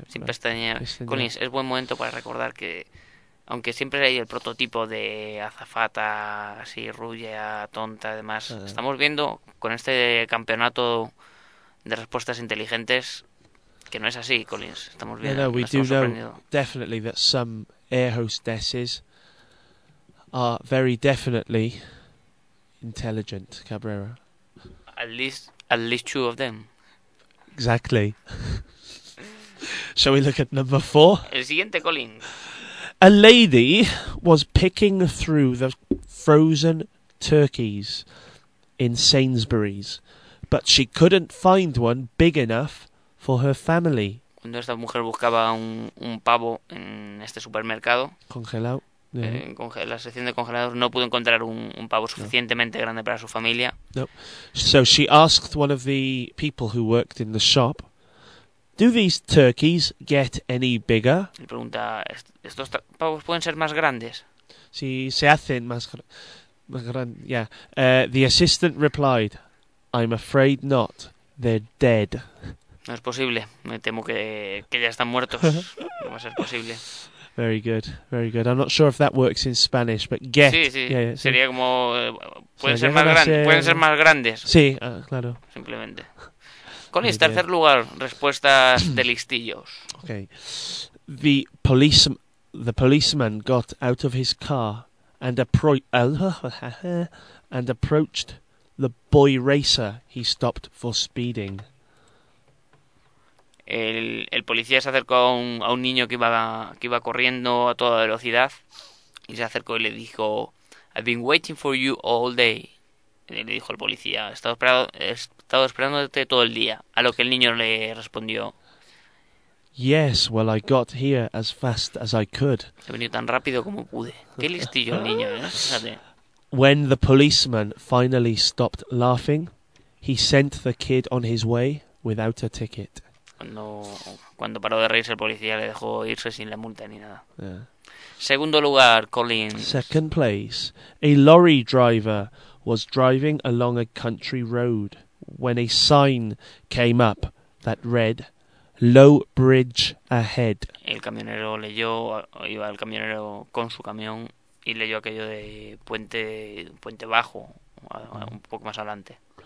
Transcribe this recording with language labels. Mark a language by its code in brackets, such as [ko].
[es] sin pestañear. Collins, es buen momento para recordar que, aunque siempre hay el prototipo de azafata así rubia, tonta, además, estamos viendo con este campeonato de respuestas inteligentes que no es así, Collins. Estamos bien, no, we estamos [en] do know definitely that some air hostesses are very definitely intelligent, Cabrera. At least two of them. Exactly. Shall we look at number four? [es] El siguiente, Collins. [en] A lady was picking through the frozen turkeys in Sainsbury's, but she couldn't find one big enough for her family. [es] Cuando esta mujer buscaba un pavo en este supermercado congelado, en la sección de congelados, no pudo encontrar un pavo suficientemente grande para su familia. No. [en] So she asked one of the people who worked in the shop, "Do these turkeys get any bigger?" [es] Le pregunta, ¿estos pavos pueden ser más grandes? Si se hacen más grandes. [en] Yeah. The assistant replied, "I'm afraid not. They're dead." [es] No es posible. Me temo que ya están muertos. No va a ser posible. [en] Very good, very good. I'm not sure if that works in Spanish, but get. [es] Sí, sí. [en] Yeah, yeah, [es] sería sí. Como pueden, o sea, ser más grandes. Ser... Pueden ser más grandes. Sí, claro. Simplemente. Con el tercer lugar, respuestas de listillos. [en] Okay. The policeman got out of his car and approached the boy racer he stopped for speeding. [es] El policía se acercó a un niño que iba corriendo a toda velocidad y se acercó y le dijo, [en] "I've been waiting for you all day." [es] Le dijo el policía, he estado esperándote todo el día. A lo que el niño le respondió, [en] "Yes, well, I got here as fast as I could." [es] He venido tan rápido como pude. Qué listillo el niño, fíjate. [en] When the policeman finally stopped laughing, he sent the kid on his way without a ticket. [es] Cuando paró de reírse, el policía le dejó irse sin la multa ni nada. [en] Yeah. [es] Segundo lugar, Collins. [en] Second place. A lorry driver was driving along a country road when a sign came up that read, "Low bridge ahead." [es] El camionero leyó, iba el camionero con su camión y leyó aquello de puente bajo, un poco más adelante.